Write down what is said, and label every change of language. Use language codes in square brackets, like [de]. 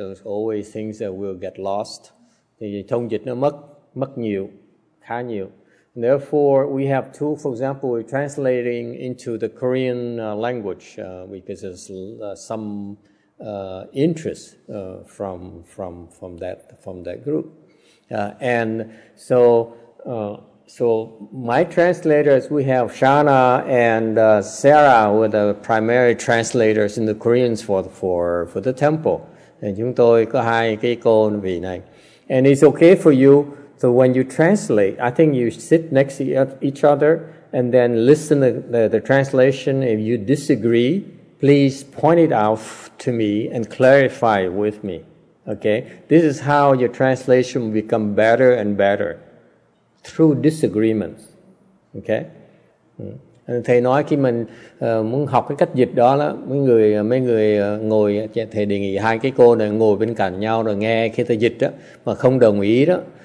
[en] There's always things that will get lost. [vi] Thì thông dịch nó mất nhiều, khá nhiều. [en] Therefore, we have two, for example, we're translating into the Korean language because there's some interest from that group. And so my translators, we have Shana and Sarah were the primary translators in the Koreans for the temple. And [vi] chúng tôi có hai cái cô vị này. [en] And it's okay for you. So when you translate, I think you sit next to each other and then listen to the translation. If you disagree, please point it out to me and clarify with me. Okay? This is how your translation will become better and better, through disagreements. Okay? [vi] Thầy nói khi mình muốn học cái cách dịch đó, mấy người ngồi, thầy đề nghị hai cái cô này ngồi bên cạnh nhau rồi nghe khi thầy dịch đó, mà không đồng ý đó.